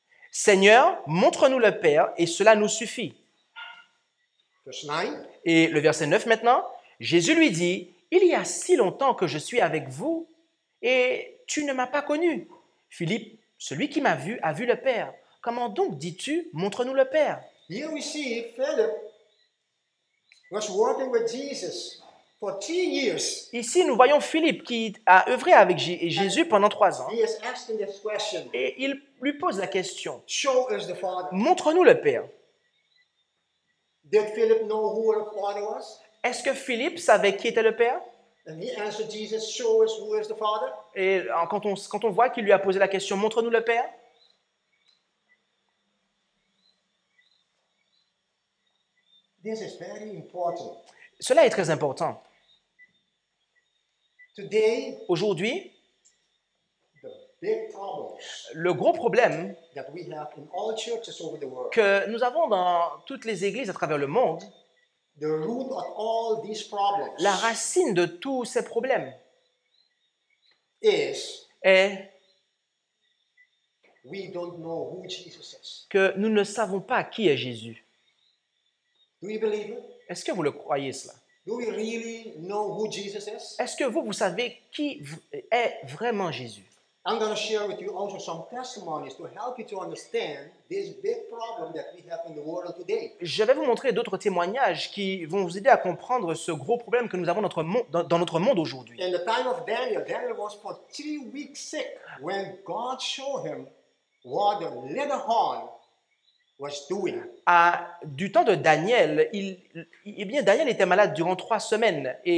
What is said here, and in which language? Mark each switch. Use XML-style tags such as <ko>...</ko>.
<fr>Seigneur, montre-nous le Père et cela nous suffit.</fr> <en>Verse 9.</en> <fr>Et le verset 9 maintenant, Jésus lui dit, il y a si longtemps que je suis avec vous et tu ne m'as pas connu. Philippe, celui qui m'a vu a vu le Père. Comment donc dis-tu, montre-nous le Père?</fr> <en>Here we see Philip was working with Jesus for 3 years.</en> <fr>Ici, nous voyons Philippe qui a œuvré avec Jésus pendant 3 ans.</fr> <en>He is asking this question.</en> <fr>Et il lui pose la question.</fr> <en>Show us the Father.</en> <fr>Montre-nous le Père.</fr> <en>Did Philip know who the Father was?</en> <fr>Est-ce que Philippe savait qui était le Père?</fr> <en>And he answered Jesus, show us who is the Father.</en> <fr>Et quand on voit qu'il lui a posé la question, montre-nous le Père.</fr> <en>This is very important.</en> <fr>Cela est très important.</fr> <en>Today,</en> <fr>aujourd'hui,</fr> <en>the big problems,</en> <fr>le gros problème</fr> <en>that we have in all churches over the world,</en> <fr>que nous avons dans toutes les églises à travers le monde,</fr> <en>the root of all these problems,</en> <fr>la racine de tous ces problèmes</fr> <en>is,</en> <fr>est</fr> <en>we don't know who Jesus is.</en> <fr>Que nous ne savons pas qui est Jésus.</fr> <en>Do you believe it?</en> <fr>Est-ce que vous le croyez cela?</fr> <en>Do we really know who Jesus is?</en> <fr>Est-ce que vous savez qui est vraiment Jésus?</fr> <en>I'm going to share with you also some testimonies to help you to understand this big problem that we have in the world today.</en> <fr>Je vais vous montrer d'autres témoignages qui vont vous aider à comprendre ce gros problème que nous avons dans notre monde aujourd'hui.</fr> <en>In the time of Daniel was for 3 weeks sick when God showed him what the little horn was doing.</en> <fr>Du temps de Daniel, Daniel était malade durant 3 semaines.</fr>